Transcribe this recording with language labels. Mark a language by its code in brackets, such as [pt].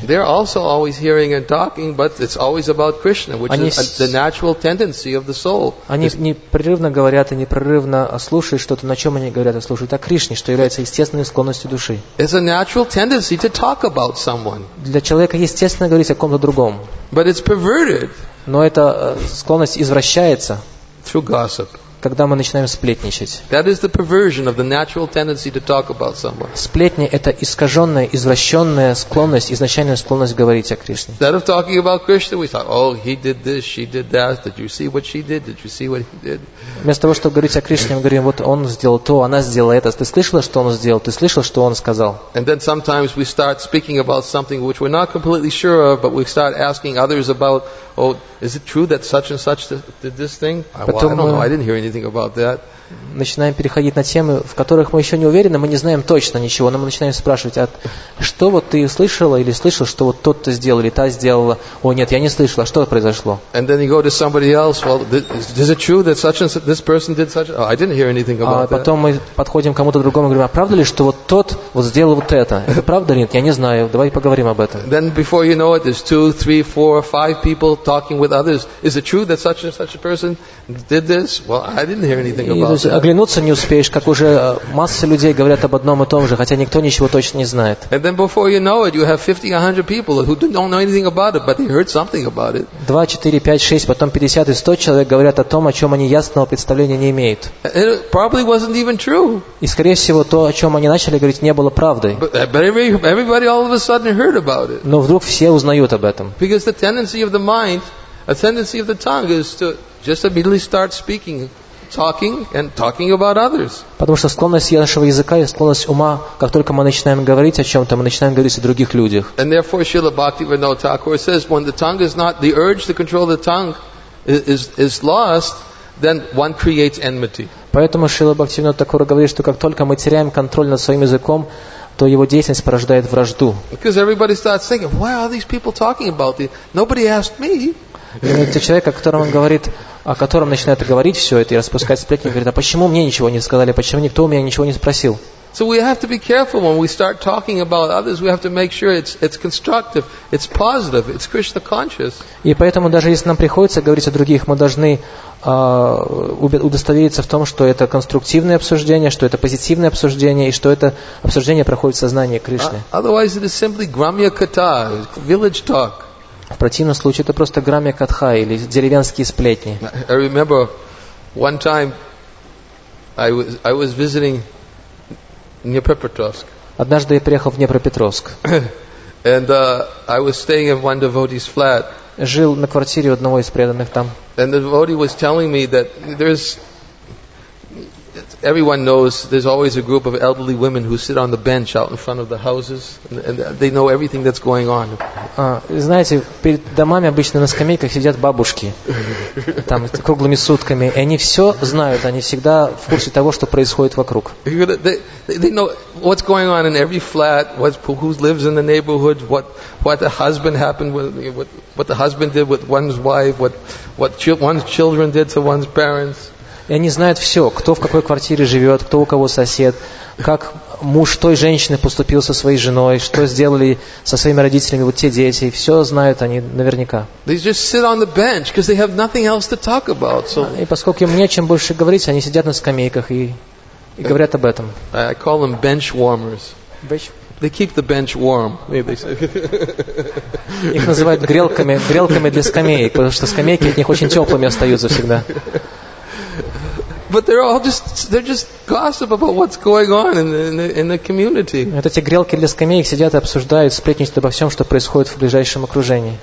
[en] They're also always hearing and talking, but it's always about Krishna, which is the natural tendency of the soul. [ru] Они непрерывно говорят и непрерывно слушают что-то, на чем они говорят, а слушают о Кришне, что является естественной склонностью души. [en] It's a natural tendency to talk about someone. [ru] Для человека есть естественно говорить о ком-то другом. [en] But it's perverted. [ru] Но эта склонность извращается, [en] through gossip. [ru] Когда мы начинаем сплетничать. [en] That is the perversion of the natural tendency to talk about someone. [ru] Сплетни – это искаженная, извращенная склонность, изначальная склонность говорить о Кришне. [en] Instead of talking about Krishna, we thought, oh, he did this, she did that. Did you see what she did? Did you see what he did? [ru] Вместо того, чтобы говорить о Кришне, мы говорим, вот он сделал то, она сделала это. Ты слышала, что он сделал? Ты слышала, что он сказал? [en] And then sometimes we start speaking about something which we're not completely sure of, but we start asking others about, oh, is it true that such and such did this thing? Well, I don't know. I didn't hear anything about that. [ru] Начинаем переходить на темы, в которых мы еще не уверены, мы не знаем точно ничего, но мы начинаем спрашивать, а что вот ты слышала или слышал, что вот тот-то сделал или та сделала? О, нет, я не слышала, что произошло? [en] And then you go to somebody else, well, is it true that such and such, this person did such? Oh, I didn't hear anything about that. [ru] А потом мы подходим к кому-то другому и говорим, а правда ли, что вот тот вот сделал вот это? Это правда или нет? Я не знаю, давай поговорим об этом. [en] Then before you know it, there's 2, 3, 4, 5 people talking with others. Is it true that such and such a person did this? Well, I didn't hear anything about that. [ru] Оглянуться не успеешь, как уже масса людей говорят об одном и том же, хотя никто ничего точно не знает. [en] And then before you know it, you have 50-100 people who don't know anything about it, but they heard something about it. [ru] 2, 4, 5, 6, потом 50 и 100 человек говорят о том, о чем они ясного представления не имеют. [en] It probably wasn't even true. [ru] И скорее всего то, о чем они начали говорить, не было правдой. [en] But everybody all of a sudden heard about it. [ru] Но вдруг все узнают об этом. [en] Because the tendency of the mind, a tendency of the tongue is to just immediately start speaking. Talking and talking about others. [ru] Потому что склонность нашего языка и склонность ума, как только мы начинаем говорить о чем-то, мы начинаем говорить о других людях. [en] And therefore, Srila Bhaktivinoda Thakur says, when the tongue is not the urge to control the tongue is lost, then one creates enmity. [ru] Поэтому Шрила Бхактивинода Такура говорит, что как только мы теряем контроль над своим языком, то его деятельность порождает вражду. [en] Because everybody starts thinking, why are these people talking about it? Nobody asked me. [ru] Это человек, о котором он говорит, о котором начинает говорить все это и распускать сплетни, говорит, а почему мне ничего не сказали, почему никто у меня ничего не спросил? [en] So we have to be careful when we start talking about others. We have to make sure it's constructive, it's positive, it's Krishna conscious. [ru] И поэтому даже если нам приходится говорить о других, мы должны удостовериться в том, что это конструктивное обсуждение, что это позитивное обсуждение и что это обсуждение проходит в сознании Кришны. [en] Otherwise, it is simply gramya katha, village talk. [ru] В противном случае это просто грамя катха или деревенские сплетни. [en] I remember one time I was visiting Dnipropetrovsk. [ru] Однажды я приехал в Днепропетровск. [en] And I was staying in one devotee's flat. [ru] Жил на квартире одного из преданных там. [en] And the devotee was telling me that there's everyone knows there's always a group of elderly women who sit on the bench out in front of the houses and they know everything that's going on. [ru] Знаете, перед домами обычно на скамейках сидят бабушки там круглыми сутками, и они все знают, они всегда в курсе того, что происходит вокруг. [en] They know what's going on in every flat, who lives in the neighborhood, what the husband happened with, what the husband did with one's wife, what one's children did to one's parents. [ru] И они знают все, кто в какой квартире живет, кто у кого сосед, как муж той женщины поступил со своей женой, что сделали со своими родителями вот те дети, и все знают они наверняка. [en] They just sit on the bench because they have nothing else to talk about. So. [ru] И поскольку им нечем больше говорить, они сидят на скамейках и говорят об этом. [en] I call them bench warmers. They keep the bench warm. [ru] Их называют грелками, грелками для скамеек, потому что скамейки от них очень теплыми остаются всегда. [en] But they're just gossip about what's going on in the community. [ru] Вот эти грелки для скамеек сидят и обсуждают, сплетничают обо всем, что происходит в ближайшем окружении.